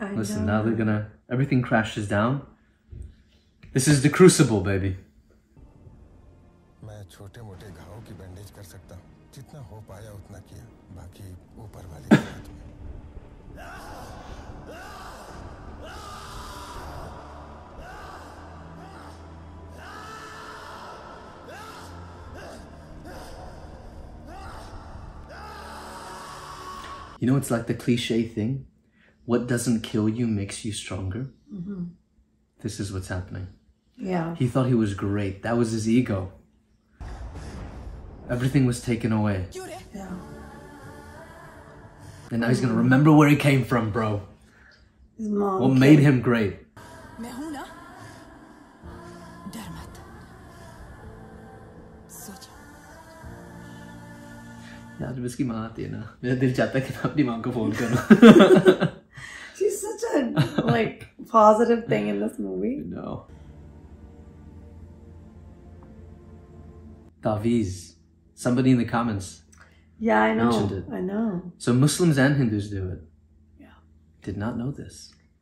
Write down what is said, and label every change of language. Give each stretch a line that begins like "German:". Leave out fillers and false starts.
English: Listen, now they're gonna. Everything crashes down. This is the crucible, baby.
Hindi: मैं छोटे मोटे घावों की बैंडेज कर सकता हूँ. जितना हो पाया उतना किया. बाकी ऊपर वाले
English: You know, it's like the cliche thing. What doesn't kill you makes you stronger. Mm-hmm. This is what's happening. Yeah. He thought he was great. That was his ego. Everything was taken away. Yeah. And now he's gonna remember where he came from, bro. His mom. What made him great?
Hindi: यार जब इसकी माँ आती है ना मेरा दिल चाहता है कि मैं अपनी माँ को फोन करूँ.
English: She's such a like positive thing in this movie. No. Taviz, somebody in the comments. Yeah, I know. Mentioned it. I know. So Muslims and Hindus do it. Yeah. Did not know this.